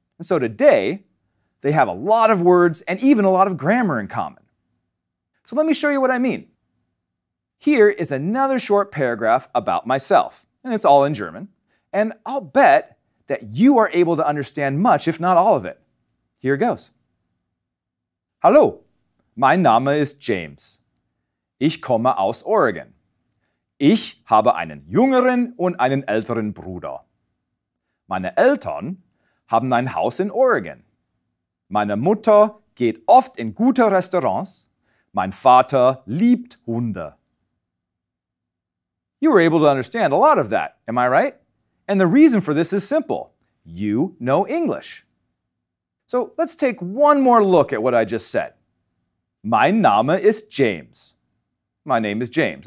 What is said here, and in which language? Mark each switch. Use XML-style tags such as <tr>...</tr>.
<en>And so today, they have a lot of words and even a lot of grammar in common. So let me show you what I mean. Here is another short paragraph about myself, and it's all in German. And I'll bet that you are able to understand much, if not all of it. Here goes.</en> <de>Hallo, mein Name ist James. Ich komme aus Oregon. Ich habe einen jüngeren und einen älteren Bruder. Meine Eltern haben ein Haus in Oregon. Meine Mutter geht oft in gute Restaurants. Mein Vater liebt Hunde.</de> <en>You were able to understand a lot of that, am I right? And the reason for this is simple. You know English. So let's take one more look at what I just said.</en> <de>Mein Name ist James.</de> <en>My name is James.</en>